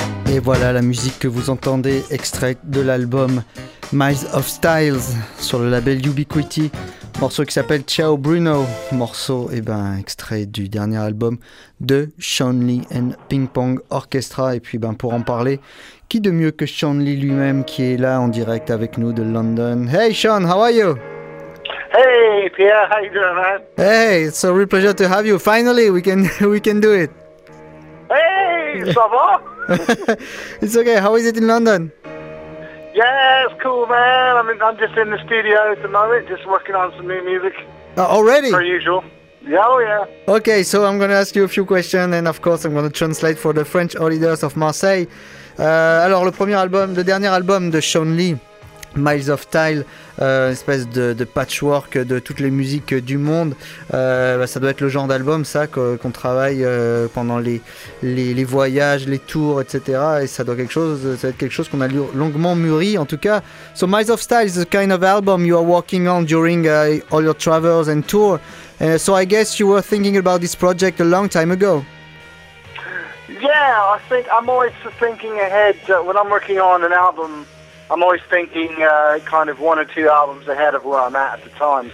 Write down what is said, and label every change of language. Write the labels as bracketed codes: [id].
[fr] Et voilà la musique que vous entendez, extrait de l'album Miles of Styles sur le label Ubiquiti. Morceau qui s'appelle Ciao Bruno. Morceau, eh ben, extrait du dernier album de Sean Lee and Ping Pong Orchestra. Et puis ben, pour en parler, qui de mieux que Sean Lee lui-même qui est là en direct avec nous de London. [en] Hey Sean, how are you? Hey Pierre, how you doing, man? Hey, it's a real pleasure to have you. Finally, we can do it. [fr] Hey, ça va? [en] It's okay. How is it in London? Yeah, it's cool, man. I mean, I'm just in the studio at the moment, just working on some new music. Already? For usual. Yeah, oh yeah. Okay, so I'm going to ask you a few questions, and of course, I'm going to translate for the French auditors of Marseille. [fr] Alors, le dernier album de Sean Lee, Miles of Tile, espèce de patchwork de toutes les musiques du monde, bah ça doit être le genre d'album ça qu'on travaille pendant les voyages, les tours, etc. Et ça doit être quelque chose qu'on a longuement mûri en tout cas. [en] So Miles of Tile is the kind of album you are working on during all your travels and tour. So I guess you were thinking about this project a long time ago. Yeah, I think I'm always thinking ahead when I'm working on an album. I'm always thinking kind of one or two albums ahead of where I'm at the time.